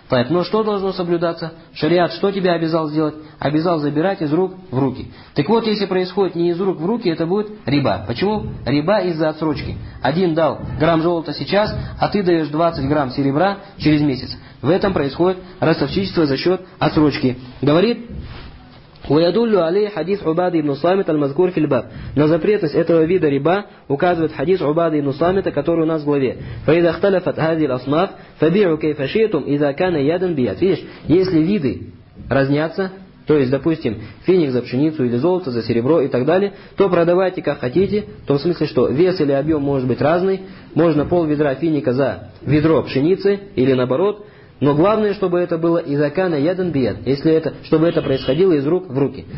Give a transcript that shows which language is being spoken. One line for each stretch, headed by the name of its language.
Russian: Но что должно соблюдаться? Шариат что тебя обязал сделать? Обязал забирать из рук в руки. Так вот, если происходит не из рук в руки, это будет риба. Почему? Риба из-за отсрочки. Один дал грамм золота сейчас, а ты даешь 20 грамм серебра через месяц. В этом происходит ростовщичество за счет отсрочки. Говорит...
Arabic: ويدل عليه حديث عبادة بن صامت المذكور في الباب.
Russian: На запретность этого вида риба указывает хадис Убады ибн Самита, который у нас в главе.
Arabic: فإذا اختلفت هذه الأصناف فبيعوا كيف شئتم إذا كان يدا بيد.
Russian: Видишь, если виды разнятся, то есть, допустим, финик за пшеницу или золото за серебро и так далее, то продавайте как хотите, в том смысле, что вес или объем может быть разный, можно пол ведра финика за ведро пшеницы или наоборот. Но главное, чтобы это было
Arabic: из акана ядан бияд,
Russian: если это, чтобы это происходило из рук в руки.